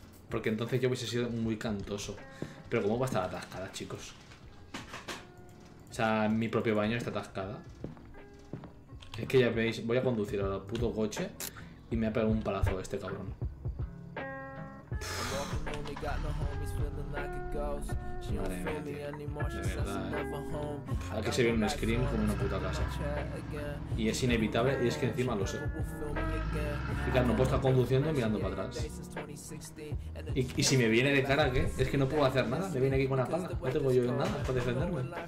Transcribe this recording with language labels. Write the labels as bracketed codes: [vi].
[es] Porque entonces yo hubiese sido muy cantoso. Pero ¿cómo va a estar atascada, chicos? O sea, mi propio baño está atascada. Es que ya veis, voy a conducir al puto coche y me ha pegado un palazo este cabrón. [en] got no homies feeling like a ghost. She don't feel me anymore, she says I'm never home. [es] Aquí se ve un scream como una puta casa. Y es inevitable, y es que encima lo sé. Fíjate, no puedo estar conduciendo mirando para atrás. Y si me viene de cara, ¿qué? Es que no puedo hacer nada, me viene aquí con una pala. No tengo yo nada para defenderme.